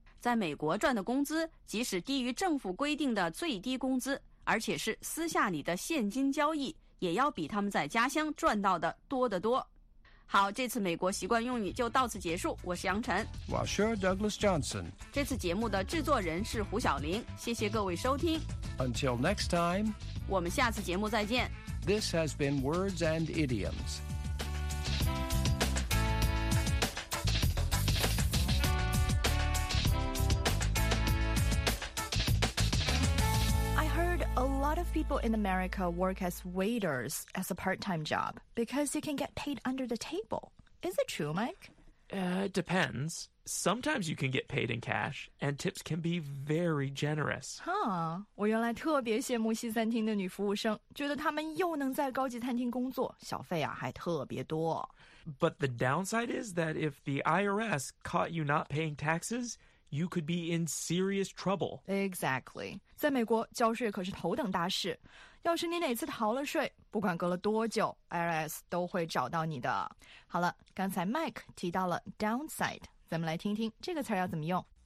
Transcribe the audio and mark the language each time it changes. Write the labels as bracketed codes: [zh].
[zh] 在美国赚的工资，即使低于政府规定的最低工资，而且是私下里的现金交易，也要比他们在家乡赚到的多得多。好，这次美国习惯用语就到此结束。我是杨晨。 [en] Washer Douglas Johnson。 [zh] 这次节目的制作人是胡晓玲。谢谢各位收听。 [en] Until next time。 [zh] 我们下次节目再见。 [en] This has been Words and Idioms。 A lot of people in America work as waiters as a part-time job because you can get paid under the table. Is it true, Mike? It depends. Sometimes you can get paid in cash, and tips can be very generous. Huh. [zh] 我原来特别羡慕西餐厅的女服务生，觉得她们又能在高级餐厅工作，小费啊还特别多。 [en] But the downside is that if the IRS caught you not paying taxes... You could be in serious trouble. Exactly. [zh] 在美国交税可是头等大事。要是你哪次逃了税，不管隔了多久 ,IRS 都会找到你的。好了，刚才 Mike 提到了 downside, 咱们来听听这个词要怎么用。